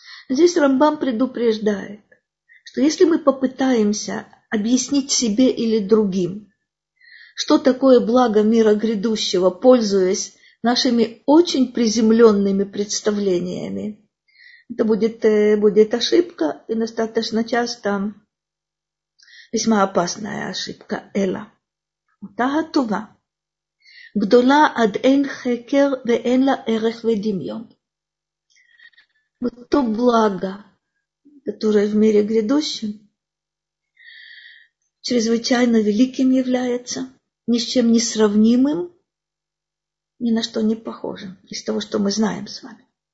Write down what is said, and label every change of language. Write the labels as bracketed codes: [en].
[ru] Здесь Рамбам предупреждает, что если мы попытаемся объяснить себе или другим, что такое благо мира грядущего, пользуясь нашими очень приземленными представлениями, это будет ошибка, и достаточно часто весьма опасная ошибка. Эла. Утагатува. [he] גדולה עד אין חקר ואין לה ערך ודמיון. אותו בלגה, [ru] которое в мире грядущем, чрезвычайно великим является, ни с чем не сравнимым, ни на что не похожим, из того, что мы знаем с вами.